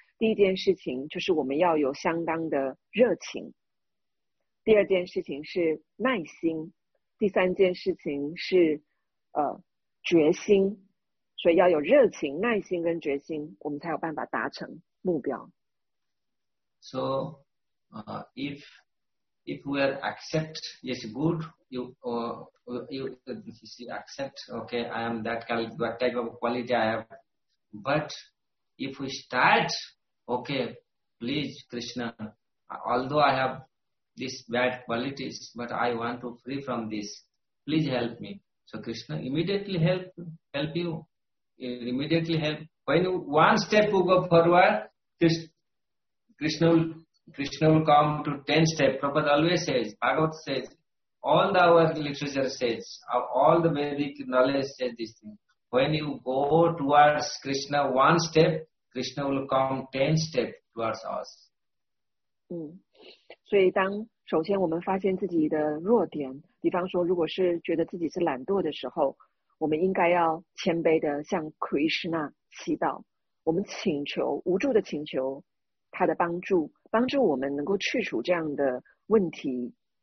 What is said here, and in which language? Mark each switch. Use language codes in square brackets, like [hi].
[zh] 第一件事情就是我们要有相当的热情，第二件事情是耐心，第三件事情是决心。所以要有热情、耐心跟决心，我们才有办法达成目标。 [en] So, if we are accept, yes, good, you accept, okay, I am that what type of quality I have. But if we start, okay, please, Krishna, although I have these bad qualities, but I want to free from this, please help me. So Krishna immediately help you, immediately help. When you one step you go forward, Krishna will come to 10 steps. Prabhupada always says, Bhagavata says, all the our literature says, all the Vedic knowledge says this thing. When you go towards Krishna one step, Krishna will come 10 steps towards us. [zh] 所以当首先我们发现自己的弱点，比方说如果是觉得自己是懒惰的时候，我们应该要谦卑的向 Krishna 祈祷，我们请求，无助的请求他的帮助，帮助我们能够去除这样的问题。